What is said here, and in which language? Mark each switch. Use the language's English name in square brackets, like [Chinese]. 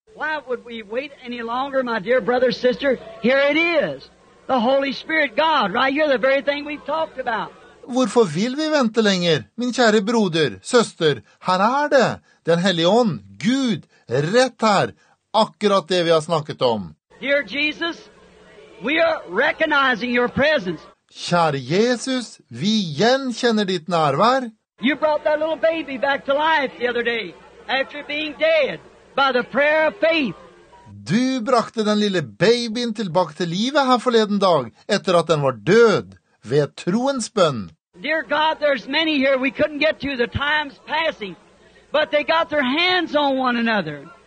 [English] Why would we wait any longer, my dear brother, sister? Here it is, the Holy Spirit, God, right here, the very thing we've talked about. [Norwegian] hvorfor vil vi vente lenger, min kjære broder, søster? Her det, den hellige ånd, Gud, rett her, akkurat det vi har snakket om. [English] Dear Jesus, we are recognizing your presence. [Norwegian] Kjære Jesus, vi gjenkjenner ditt nærvær. [English] You brought that little baby back to life the other day, after being dead, by the prayer of faith. [Norwegian] Du brakte den lille babyen tilbake til livet her forleden dag, etter at den var død, ved troens bønn. [English] Dear God, there's many here we couldn't get to, the time's passing, but they got their hands on one another.